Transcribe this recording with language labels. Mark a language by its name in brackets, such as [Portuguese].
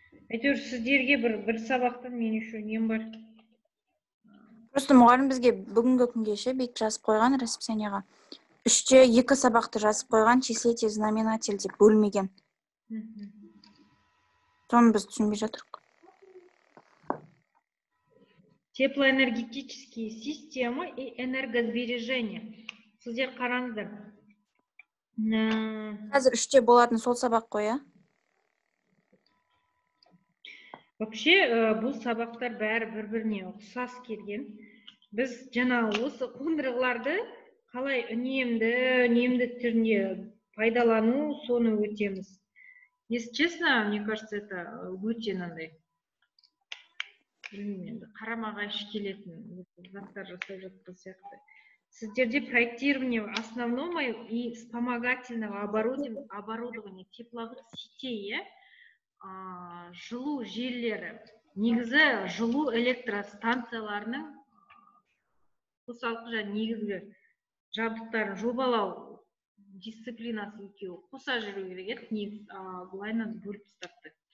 [Kazakh] Әйтеуір сіздерге бір сабақтан мен еще нем бар. Просто мұғалім бізге бүгінгі күнге ше бет жазып қойған расписанияға. Үште 2 сабақты жазып қойған, числитель, знаменатель деп бөлмеген. Соны біз түсінбей жатырық. [Russian] Теплоэнергетические системы и энергосбережение. [Kazakh] Сіздер қараңыздар. Қазір үште болатын сол сабақ қой, а? Вообще, бұл сабақтар бәрі бір-біріне ұқсас келген. Біз жаңа осы қондырғыларды қалай үнемді түрінде пайдалану соны өтеміз. [Russian] Если честно, мне кажется, это [Kazakh] өте нандай. Қарама-қайшы келетін заттар жасап жатқан сияқты. Сіздерде [Russian] проектирование основного и вспомогательного оборудования тепловых сетей, [Kazakh] жылу желілері, негізі жылу электростанцияларының қосалқы және негізгі жабдықтарын жобалау дисциплинасы екеуі қоса жүру керек еді, негіз бұлайынан бөліп тастапты.